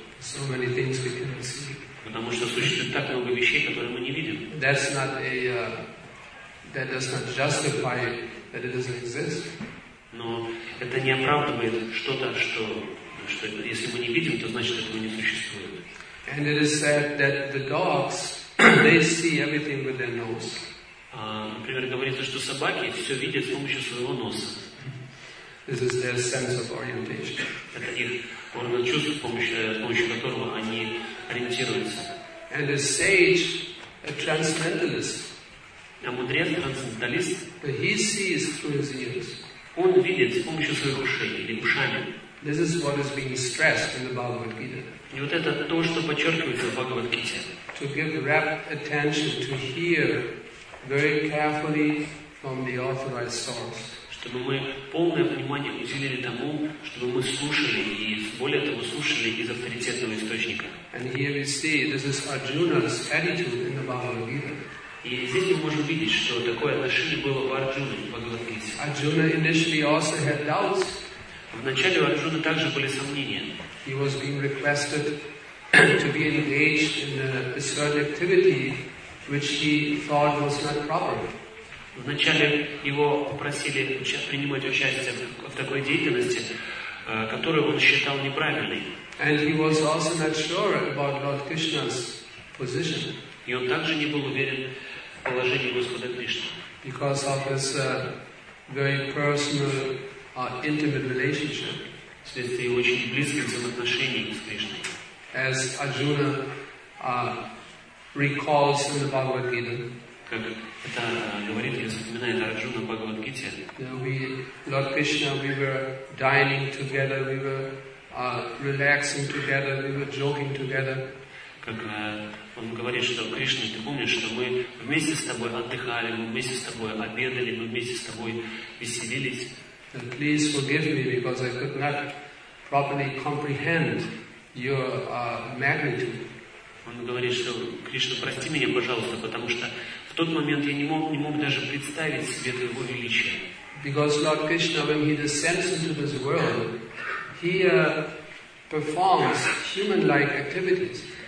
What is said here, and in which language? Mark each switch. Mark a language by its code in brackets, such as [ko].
[en] So many things we cannot see. [ru] Потому что существует так много вещей, которые мы не видим. [en] That's not a, that does not justify that it doesn't exist. [ru] Но это не оправдывает что-то, что если мы не видим, то значит этого не существует. [en] And it is said that the dogs, they see everything with their nose. [ru] Например, говорится, что собаки все видят с помощью своего носа. [en] This is their sense of orientation. [ru] Это их орган чувств, с помощью которого они ориентируются. [en] And a sage, a transcendentalist. [ru] А мудрец, трансценденталист. [en] But he sees through his ears. [ru] Он видит с помощью своих ушей или ушами. [en] This is what is being stressed in the Bhagavad Gita. [ru] И вот это то, что подчеркивается в Бхагавад Гите. [en] To give rapt attention, to hear very carefully from the authorized source. [ru] Чтобы мы полное внимание уделили тому, чтобы мы слушали, и более того, слушали из авторитетного источника. [en] And here we see, this is Arjuna's attitude in the Bhagavad Gita. [ru] И здесь мы можем видеть, что такое отношение было у Арджуны в Бхагавад Гите. [en] Arjuna initially also had doubts. [ru] Вначале у Арджуны также были сомнения. [en] He was being requested to be engaged in a certain activity which he thought was not proper. [ru] Вначале его попросили принимать участие в такой деятельности, которую он считал неправильной. [en] And he was also not sure about Lord Krishna's position. [ru] И он также не был уверен в положении Господа Кришны. [en] Because of his very personal, intimate relationship. [ru] Вследствие его очень близких взаимоотношений с Кришной. [en] As Arjuna recalls in the Bhagavad Gita. [ru] Как это говорит, я вспоминаю, это Арджуна в Бхагавад Гите. [en] Lord Krishna, we were dining together, we were relaxing together, we were joking together. [ru] Как он говорит, что Кришна, ты помнишь, что мы вместе с тобой отдыхали, мы вместе с тобой обедали, мы вместе с тобой веселились. [en] And please forgive me, because I could not properly comprehend your magnitude. [ru] Он говорит, что Кришна, прости меня, пожалуйста, потому что в тот момент я не мог даже представить себе твоего величия. [en] Because Lord Krishna, when he descends into this world, he performs human-like activities.